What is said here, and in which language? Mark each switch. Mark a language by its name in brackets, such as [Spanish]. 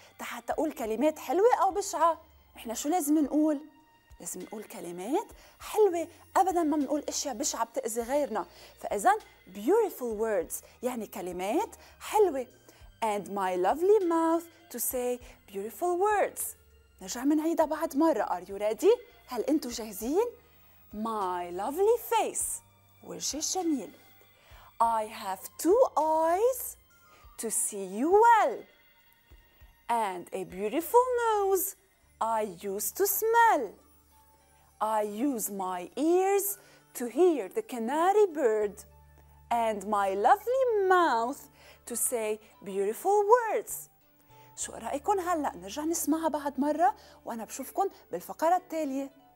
[Arabic] حتى أقول كلمات حلوة أو بشعة. إحنا شو لازم نقول؟ لازم نقول كلمات حلوة. أبداً ما منقول إشياء بشعة بتأذي غيرنا. فإذن beautiful words يعني كلمات حلوة. [English] And my lovely mouth to say beautiful words. [Arabic] نرجع من عيدة بعد مرة. [English] Are you ready? [Arabic] هل أنتوا جاهزين؟ [English] My lovely face. [Arabic] وجه جميل. [English] I have two eyes to see you well. And a beautiful nose I used to smell. I use my ears to hear the canary bird. And my lovely mouth to say beautiful words. [Arabic] شو رأيكن هلأ نرجع نسمعها بعد مرة وأنا بشوفكن بالفقرة التالية.